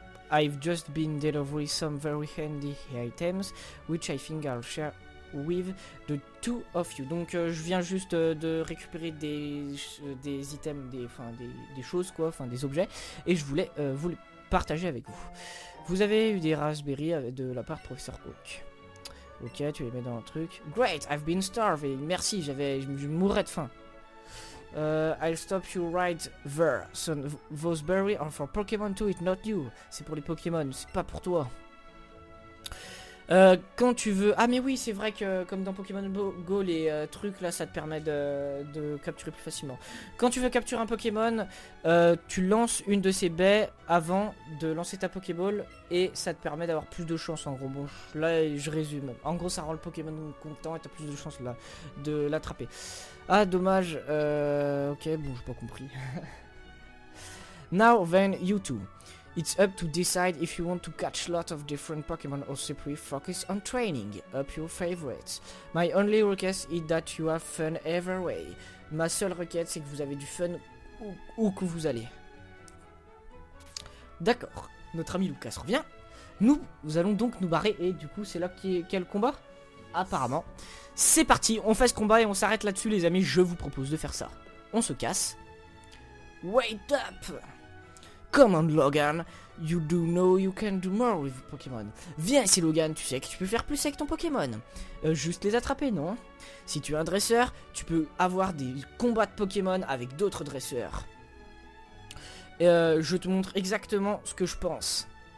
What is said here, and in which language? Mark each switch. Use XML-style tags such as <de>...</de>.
<en>I've just been delivering some very handy items, which I think I'll share with the two of you.</en> <fr>Donc, je viens juste de récupérer des items, des choses, quoi, enfin des objets, et je voulais vous les partager avec vous. Vous avez eu des raspberries de la part de Professeur Oak. Ok, tu les mets dans un truc.</fr> <en>Great, I've been starving.</en> <fr>Merci, je mourrais de faim.</fr> <en>I'll stop you right there. So, those berries are for Pokémon to eat, not you.</en> <fr>C'est pour les Pokémon, c'est pas pour toi. Quand tu veux... Ah mais oui, c'est vrai que comme dans Pokémon Go, les trucs là, ça te permet de capturer plus facilement. Quand tu veux capturer un Pokémon, tu lances une de ces baies avant de lancer ta Pokéball et ça te permet d'avoir plus de chance en gros. Bon, là, je résume. En gros, ça rend le Pokémon content et t'as plus de chance là, de l'attraper. Ah, dommage. Ok, bon, j'ai pas compris.</fr> <en>Now, then, you two. It's up to decide if you want to catch lot of different Pokémon or simply focus on training up your favorites. My only request is that you have fun every way.</en> <fr>Ma seule requête, c'est que vous avez du fun où que vous allez. D'accord. Notre ami Lucas revient. Nous allons donc nous barrer et du coup, c'est là qu'est le combat ? Apparemment. C'est parti, on fait ce combat et on s'arrête là-dessus les amis, je vous propose de faire ça. On se casse.</fr> <en>Wait up ! Come on, Logan. You do know you can do more with Pokémon.</en> <fr>Viens ici, Logan. Tu sais que tu peux faire plus avec ton Pokémon. Juste les attraper, non? Si tu es un dresseur, tu peux avoir des combats de Pokémon avec d'autres dresseurs. Je te montre exactement ce que je pense.</fr>